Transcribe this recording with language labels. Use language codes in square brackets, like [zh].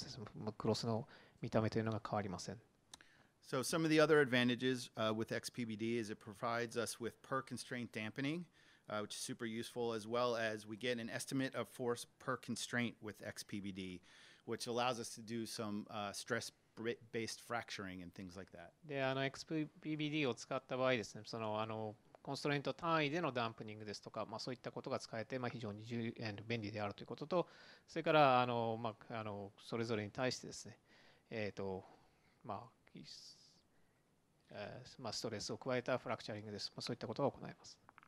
[ja] で、XPBDを使えばですね、イテレーションというか、サブステップの数を変えてもですね、全体のですね、クロスの見た目というのが変わりません。 [en] So some of the other advantages with XPBD is it provides us with per constraint dampening, which is super useful, as well as we get an estimate of force per constraint with XPBD, which allows us to do some stress-based fracturing and things like that. [ja] で、XPBDを使った場合ですね、コンストレイント単位でのダンプニングですとか、そういったことが使えて、非常に便利であるということと、それから、それぞれに対してですね、ストレスを加えたフラクチャリングです。そういったことが行えます。